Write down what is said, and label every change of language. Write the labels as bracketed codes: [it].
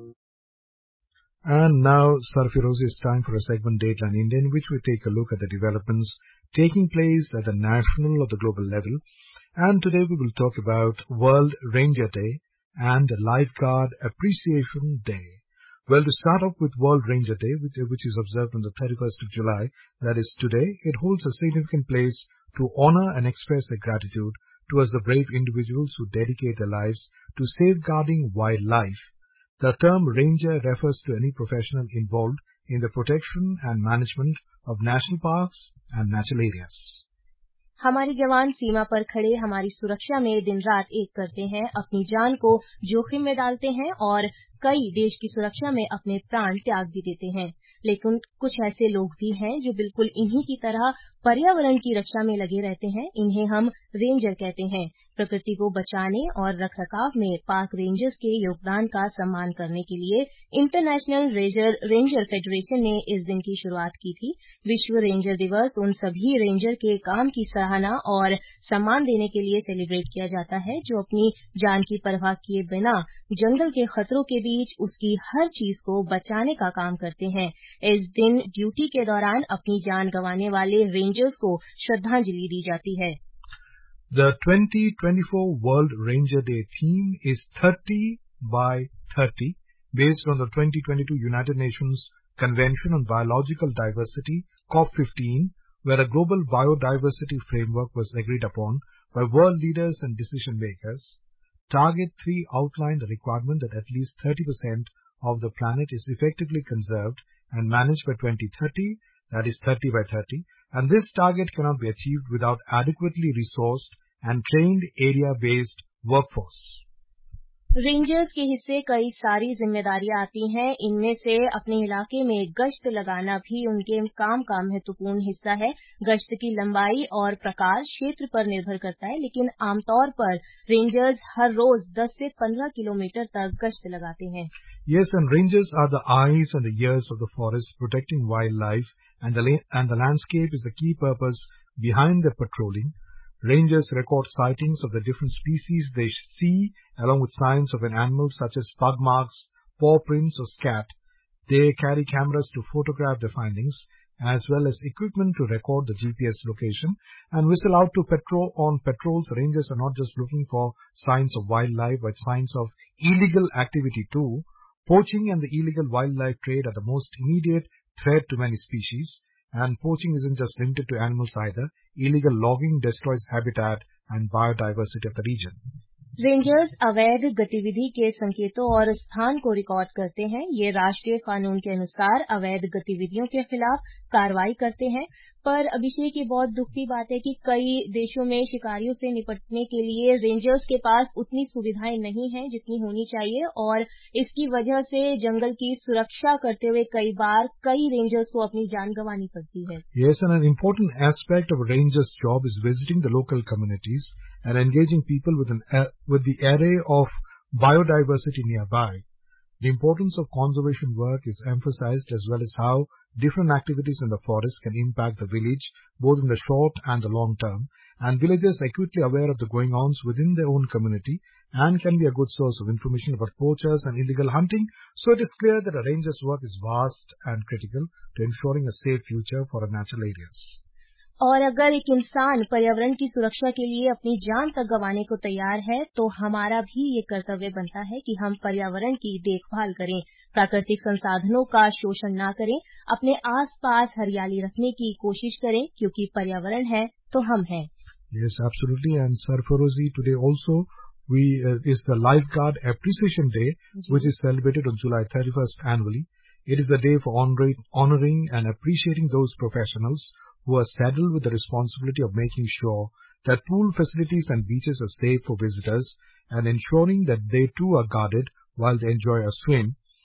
[en] And now सरफिरोजी, it's time for a segment Dateline Indian which we take a look at the developments taking place at the national or the global level. And today we will talk about World Ranger Day and Lifeguard Appreciation Day. Well, to start off with World Ranger Day, which is observed on the 31st of July, that is today, it holds a significant place to honor and express their gratitude towards the brave individuals who dedicate their lives to safeguarding wildlife. The term ranger refers to any professional involved in the protection and management of national parks and natural areas. [hi] हमारे जवान सीमा पर खड़े हमारी सुरक्षा में दिन रात एक करते हैं, अपनी जान को जोखिम में डालते हैं और कई देश की सुरक्षा में अपने प्राण त्याग भी देते हैं। लेकिन कुछ ऐसे लोग भी हैं जो बिल्कुल इन्हीं की तरह पर्यावरण की रक्षा में लगे रहते हैं, इन्हें हम रेंजर कहते हैं। प्रकृति को बचाने और रखरखाव में पार्क रेंजर्स के योगदान का सम्मान करने के लिए इंटरनेशनल रेंजर फेडरेशन ने इस दिन की शुरुआत की थी। विश्व रेंजर दिवस उन सभी रेंजर के काम की सराहना और सम्मान देने के लिए सेलिब्रेट किया जाता है जो अपनी जान की परवाह किए बिना जंगल के खतरों के बीच उसकी हर चीज को बचाने का काम करते हैं। इस दिन ड्यूटी के दौरान अपनी जान गंवाने वाले रेंजर्स को श्रद्धांजलि दी जाती है। [en] The 2024 World Ranger Day theme is 30 by 30, based on the 2022 United Nations Convention on Biological Diversity, COP15, where a global biodiversity framework was agreed upon by world leaders and decision makers. Target 3 outlined the requirement that at least 30% of the planet is effectively conserved and managed by 2030, that is 30 by 30, and this target cannot be achieved without adequately resourced and trained area-based workforce. [hi] Rangers के हिस्से कई सारी जिम्मेदारियां आती हैं, इनमें से अपने इलाके में गश्त लगाना भी उनके काम का महत्वपूर्ण हिस्सा है। गश्त की लंबाई और प्रकार क्षेत्र पर निर्भर करता है, लेकिन आमतौर पर रेंजर्स हर रोज 10 से 15 किलोमीटर तक गश्त लगाते हैं। [en] Yes, and rangers are the eyes and the ears of the forest, protecting wildlife and the landscape is the key purpose behind the patrolling. Rangers record sightings of the different species they see, along with signs of an animal such as pug marks, paw prints or scat. They carry cameras to photograph the findings, as well as equipment to record the GPS location and whistle out to patrol. On patrols, rangers are not just looking for signs of wildlife, but signs of illegal activity too. Poaching and the illegal wildlife trade are the most immediate threat to many species. And poaching isn't just limited to animals either. Illegal logging destroys habitat and biodiversity of the region. [hi] Rangers अवैध गतिविधि के संकेतों और स्थान को record करते हैं। ये राष्ट्रीय कानून के अनुसार अवैध गतिविधियों के खिलाफ कार्रवाई करते हैं, पर अभिषेक ये बहुत दुख की बात है कि कई देशों में शिकारियों से निपटने के लिए रेंजर्स के पास उतनी सुविधाएं नहीं हैं जितनी होनी चाहिए, और इसकी वजह से जंगल की सुरक्षा करते हुए कई बार कई रेंजर्स को अपनी जान गंवानी पड़ती है। [en] Yes, and an important aspect of rangers job is visiting the local communities and engaging people with the array of biodiversity nearby. The importance of conservation work is emphasized, as well as how different activities in the forest can impact the village both in the short and the long term, and villagers are acutely aware of the going ons within their own community and can be a good source of information about poachers and illegal hunting. So it is clear that a ranger's work is vast and critical to ensuring a safe future for our natural areas. [hi] और अगर एक इंसान पर्यावरण की सुरक्षा के लिए अपनी जान तक गंवाने को तैयार है, तो हमारा भी ये कर्तव्य बनता है कि हम पर्यावरण की देखभाल करें, प्राकृतिक संसाधनों का शोषण ना करें, अपने आसपास हरियाली रखने की कोशिश करें, क्योंकि पर्यावरण है तो हम हैं। [en] Yes, absolutely. And Sir Ferozi, today also is the Lifeguard Appreciation Day, which is celebrated on July 31st annually. It is a day for honoring and appreciating those professionals who are saddled with the responsibility of making sure that pool facilities and beaches are safe for visitors and ensuring that they too are guarded while they enjoy a swim.